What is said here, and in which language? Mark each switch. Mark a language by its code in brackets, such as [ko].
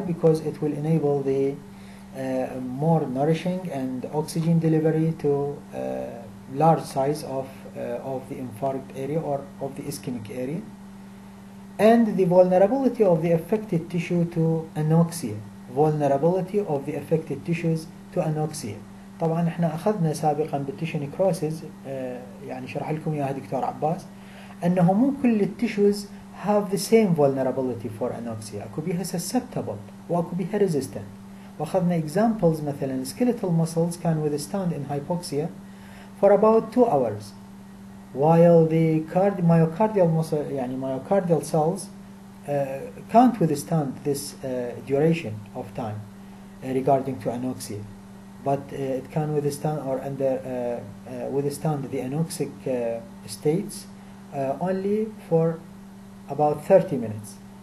[en] Because it will enable the more nourishing and oxygen delivery to large size of the infarct area or of the ischemic area, and the vulnerability of the affected tissue to anoxia. Vulnerability of the affected tissues to anoxia. [ar] طبعا احنا اخذنا سابقا بالتيشو نيكروسيس يعني شرح لكم اياها دكتور عباس انه مو كل التيشوز [en] have the same vulnerability for anoxia. [ar] اكو بيها susceptible واكو بيها resistant. واخذنا [en] examples [ar] مثلا [en] skeletal muscles can withstand in hypoxia for about 2 hours. While the myocardial muscle, يعني myocardial cells can't withstand this duration of time regarding to anoxia, but it can withstand or under withstand the anoxic states only for about 30 minutes.